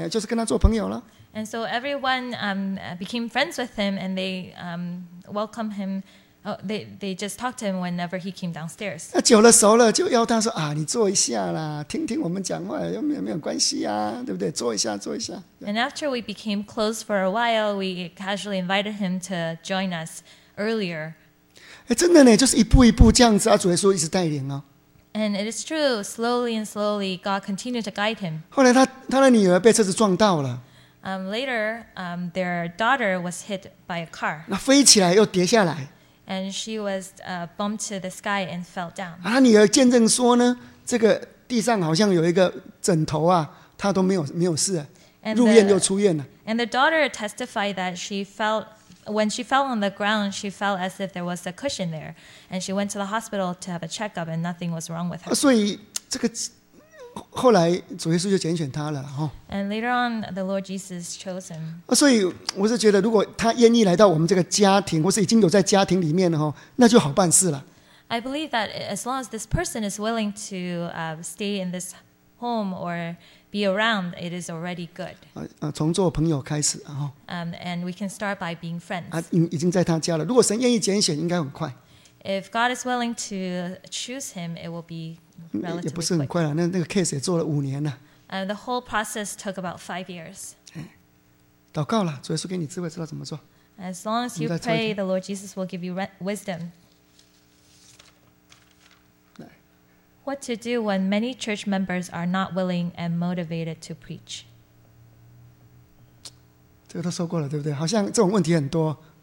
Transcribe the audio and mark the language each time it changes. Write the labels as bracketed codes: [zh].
[zh] 就是跟他做朋友了。 [en] And so everyone became friends with him, and they welcomed him. They just talked to him whenever he came downstairs. [zh] 那久了熟了，就邀他说啊，你坐一下啦，听听我们讲话，又没有关系啊，对不对？坐一下，坐一下。 [en] And after we became close for a while, we casually invited him to join us earlier. [zh] 哎，真的呢，就是一步一步这样子啊，主耶稣一直带领啊。 [en] And it is true, slowly and slowly, God continued to guide him. [zh] 后来他的女儿被车子撞到了。 [en] Later, their daughter was hit by a car. [zh] 那飞起来又跌下来。 [en] And she was bumped to the sky and fell down. [zh] 啊，女儿见证说呢，这个地上好像有一个枕头啊，她都没有事啊，入院又出院了。 [en] And the daughter testified that when she fell on the ground, she felt as if there was a cushion there. And she went to the hospital to have a checkup, and nothing was wrong with her. [zh] 所以这个后来主耶稣就拣选她了，哈。 [en] And later on, the Lord Jesus chose him. [zh] 所以我是觉得，如果他愿意来到我们这个家庭，或是已经有在家庭里面了，哈，那就好办事了。 [en] I believe that as long as this person is willing to stay in this home or be around, it is already good. [zh] 从做朋友开始，哈。 [en] And we can start by being friends. [zh] 已经在他家了。如果神愿意拣选，应该很快。 [en] If God is willing to choose him, it will be. [zh] 也不是很快了，那个 case 也做了五年了。 [en] The whole process took about 5 years. [zh] 祷告了，主耶稣给你智慧，知道怎么做。 [en] As long as you pray, the Lord Jesus will give you wisdom. What to do when many church members are not willing and motivated to preach? [zh] 这个都说过了，对不对？好像这种问题很多。